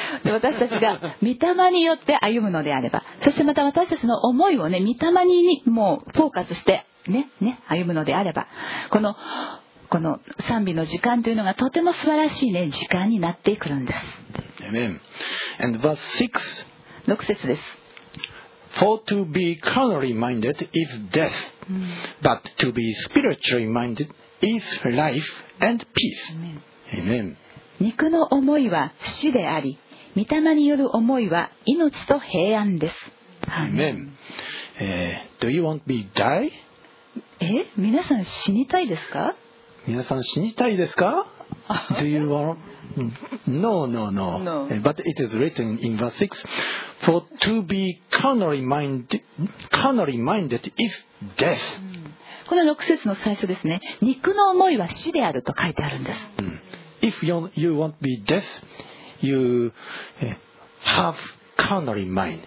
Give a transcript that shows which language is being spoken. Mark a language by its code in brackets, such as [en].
[ja] 私たちが御霊によって歩むのであれば、そしてまた私たちの思いをね、御霊にもうフォーカスしてね、歩むのであれば、この賛美の時間というのがとても素晴らしいね、時間になってくるんです。 [en] Amen. And verse [ja] 6節です。 [en] For to be carnally minded is death, but to be spiritually minded is life and peace. Amen. [ja] 肉の思いは死であり、御霊による思いは命と平安です。 [en] Amen. Do you want me die? [ja] 皆さん死にたいですか？ [en] Do you want? No. But it is written in verse 6. For to be carnally minded is death. [ja] この6節の最初ですね。肉の思いは死であると書いてあるんです。 [en] If you want be death, you have carnally mind.